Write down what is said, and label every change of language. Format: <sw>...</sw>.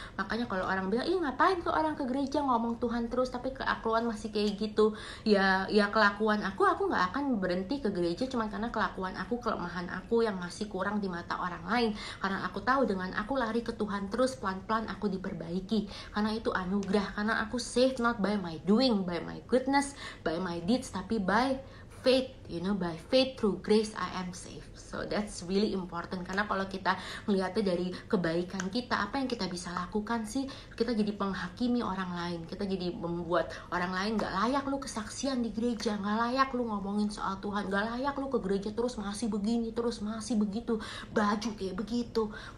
<id>Makanya kalau orang bilang, "Ih, ngapain kok orang ke gereja ngomong Tuhan terus tapi kelakuan masih kayak gitu?" Ya kelakuan aku enggak akan berhenti ke gereja cuma karena kelakuan aku, kelemahan aku yang masih kurang di mata orang lain. Karena aku tahu dengan aku lari ke Tuhan terus, pelan-pelan aku diperbaiki. Karena itu anugerah, karena aku</id> <en>saved not by my doing, by my goodness, by my deeds,</en> <id>tapi</id> <en>by faith, you know, by faith through grace I am saved. So that's really important.</en> <id>Karena kalau kita melihatnya dari kebaikan kita, apa yang kita bisa lakukan sih, kita jadi penghakimi orang lain, kita jadi membuat orang lain gak layak lu kesaksian di gereja, gak layak lu ngomongin soal Tuhan, gak layak lu ke gereja terus masih begini, terus masih begitu, baju kayak begitu.</id>